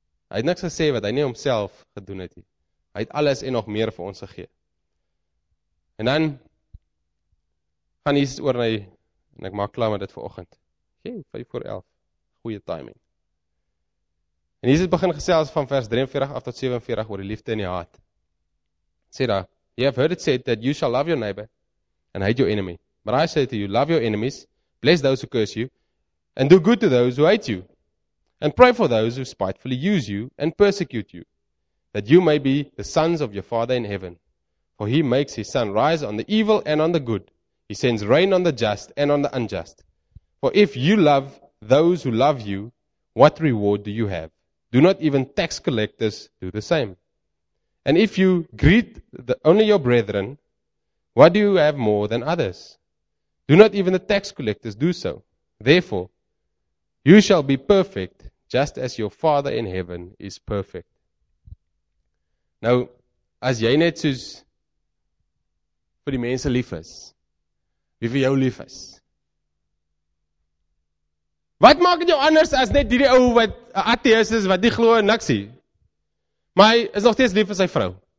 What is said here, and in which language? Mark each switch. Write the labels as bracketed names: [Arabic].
[Afrikaans] Hy het niks gesê wat hy nie homself gedoen het. Hy het alles en nog meer vir ons gegee. En dan gaan Jesus oor na hy, en ek maak klaar met dit vir oggend. 5:45, goeie timing. En Jesus begin gesels van vers 43 af tot 47 oor die liefde en die haat. Sê daar, [English] you have heard it said that you shall love your neighbor and hate your enemy. But I say to you, love your enemies, bless those who curse you, and do good to those who hate you, and pray for those who spitefully use you and persecute you, that you may be the sons of your Father in heaven. For he makes his sun rise on the evil and on the good. He sends rain on the just and on the unjust. For if you love those who love you, what reward do you have? Do not even tax collectors do the same. And if you greet only your brethren, what do you have more than others? Do not even the tax collectors do so. Therefore, you shall be perfect, just as your Father in heaven is perfect. [Afrikaans] Nou, as jy net soos vir die mense lief is, wie vir jou lief is, wat maak het jou anders as net die ou wat atheist is, wat nie glo in niks nie? Maar hy is nog steeds lief vir sy vrou.